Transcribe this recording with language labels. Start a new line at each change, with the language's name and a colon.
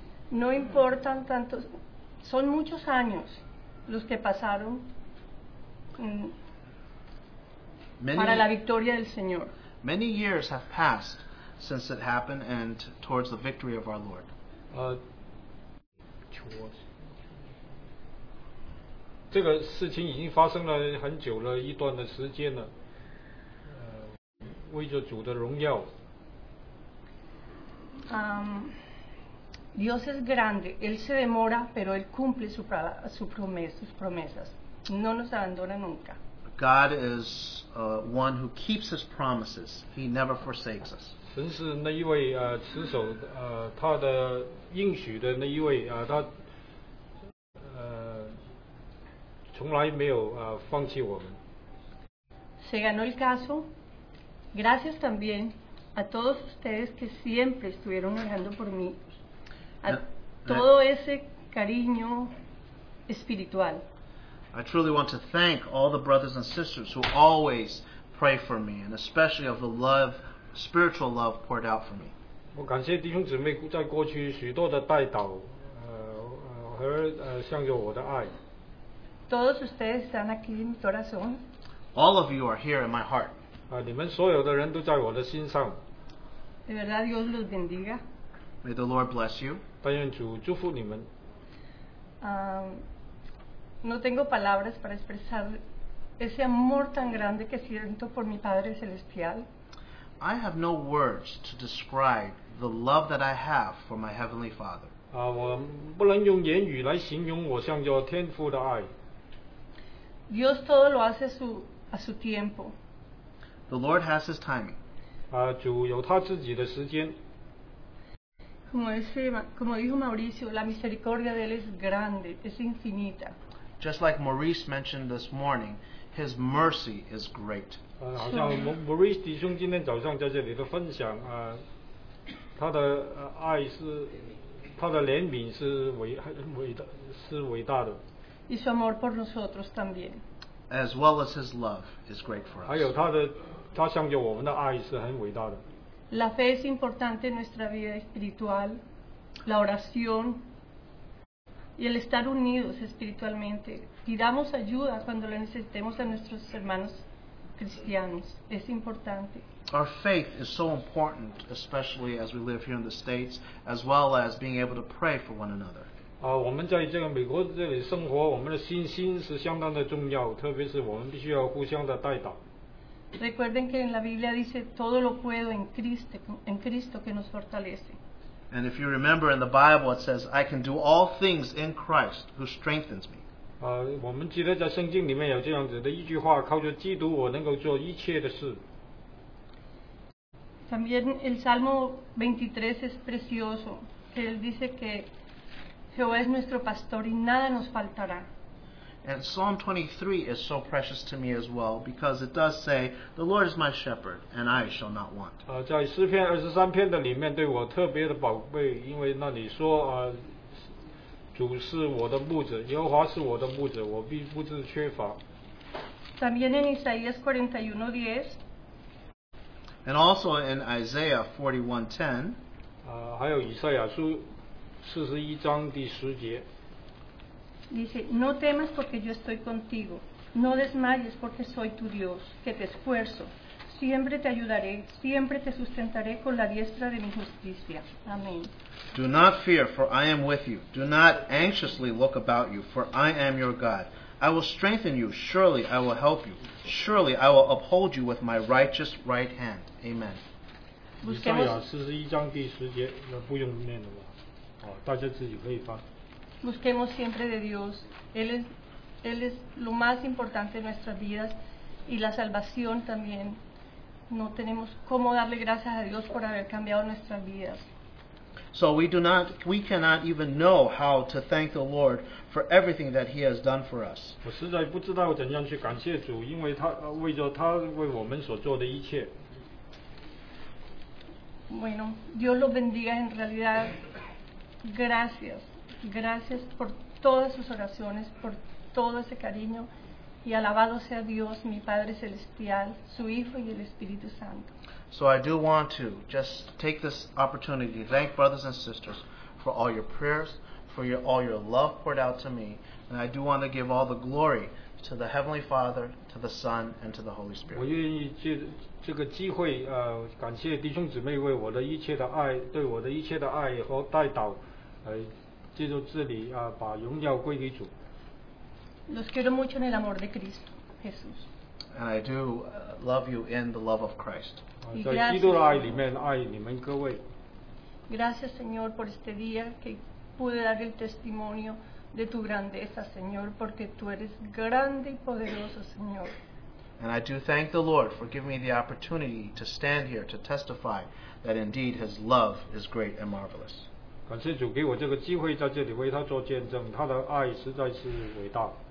Spanish: No importan tanto, son muchos años los que pasaron para la victoria del Señor.
English: Many years have passed since it happened and towards the victory of our Lord. Towards.
Chinese: 这个事情已经发生了很久了一段的时间了，为着主的荣耀。
Spanish: Dios es grande. Él se demora, pero él cumple sus promesas. No nos abandona nunca.
English: God is one who keeps his promises. He never forsakes us.
Chinese: 神是那一位持守他的应许的那一位他从来没有放弃我们。
Spanish: Se ganó el caso. Gracias también. A todos ustedes que siempre estuvieron orando por mí, todo ese cariño espiritual.
English: I truly want to thank all the brothers and sisters who always pray for me, and especially of the love, spiritual love poured out for me.
Chinese: 我感谢弟兄姊妹在过去许多的带导，和向着我的爱。
Spanish: Todos ustedes están aquí en mi corazón.
English: All of you are here in my heart.
Chinese: 你们所有的人都在我的心上。
Spanish: De verdad, Dios los bendiga.
English: May the Lord bless you.
Chinese: 但愿主祝福你们。
Spanish: No tengo palabras para expresar ese amor tan grande que siento por mi Padre Celestial.
English: I have no words to describe the love that I have for my Heavenly Father.
Chinese: 我不能用言语来形容我向着天父的爱。
Spanish: Dios todo lo hace a su tiempo.
English: The Lord has His timing.
Chinese: 主有他自己的时间。
Spanish: Como dijo Mauricio, la misericordia de él es grande, es infinita.
English: Just like Maurice mentioned this morning, his mercy is great.
Chinese: 好像 Maurice 弟兄今天早上在这里的分享，他的爱是，他的怜悯是伟大的。
Spanish: Y su amor por nosotros también.
English: As well as his love is great for us.
Chinese: 还有他的。他向着我们的爱是很伟大的。
Spanish: La fe es importante en nuestra vida espiritual, la oración y el estar unidos espiritualmente. Pidamos ayuda cuando lo necesitemos a nuestros hermanos cristianos. Es importante.
English: Our faith is so important, especially as we live here in the States, as well as being able to pray for one another.
Chinese: 我们在这个美国这里生活，我们的信心是相当的重要，特别是我们必须要互相的代祷。
Spanish: Recuerden que en la Biblia dice todo lo puedo en Cristo que nos fortalece.
English: And if you remember in the Bible it says I can do all things in Christ who strengthens me.
Chinese: 我们记得在圣经里面有这样子的一句话，靠着基督我能够做一切的事。
Spanish: También el Salmo 23 es precioso, que él dice que Jehová es nuestro pastor y nada nos faltará.
English: And Psalm 23 is so precious to me as well, because it does say, the Lord is my shepherd, and I shall not want.
Chinese: 在诗篇二十三篇的里面对我特别的宝贝，因为那里说，主是我的牧者，耶和华是我的牧者，我必不致缺乏。
Spanish: También en Isaías 41:10.
English: And also in Isaiah 41:10.
Chinese: 还有以赛亚书四十一章第十节。
Spanish: Dice, no temas porque yo estoy contigo. No desmayes porque soy tu Dios, que te esfuerzo. Siempre te ayudaré, siempre te sustentaré con la diestra de mi justicia. Amén.
English: Do not fear, for I am with you. Do not anxiously look about you, for I am your God. I will strengthen you. Surely I will help you. Surely I will uphold you with my righteous right hand. Amen.
Chinese: 以赛亚四十一章第十节，那不用念了吧？大家自己可以翻。
Spanish: Busquemos siempre de Dios. Él es lo más importante en nuestras vidas y la salvación también. No tenemos cómo darle gracias a Dios por haber cambiado nuestras vidas.
English: So we cannot even know how to thank the Lord for everything that He has done for us.
Chinese: 我实在不知道怎样去感谢主，因为他为我们所做的一切。
Spanish: Bueno, Dios los bendiga en realidad. Gracias. Gracias por todas sus oraciones, por todo ese cariño, y alabado sea Dios, mi Padre Celestial, su Hijo y el Espíritu Santo.
English: So I do want to just take this opportunity to thank brothers and sisters for all your prayers, for all your love poured out to me, and I do want to give all the glory to the Heavenly Father, to the Son, and to the Holy Spirit.
Chinese: 我愿意借这个机会，感谢弟兄姊妹为我的一切的爱，对我的一切的爱和带导，借助这里啊，把荣耀归给主。
Spanish: Los quiero mucho en el amor de Cristo, Jesús.
English: And I do love you in the love of Christ.
Chinese: 在基督的爱里面爱你们各位。
Spanish: Gracias, Señor, por este día que pude dar el testimonio de tu grandeza, Señor, porque tú eres grande y poderoso, Señor.
English: And I do thank the Lord for giving me the opportunity to stand here to testify that indeed His love is great and marvelous.
Chinese: 感谢主给我这个机会在这里为他做见证，他的爱实在是伟大。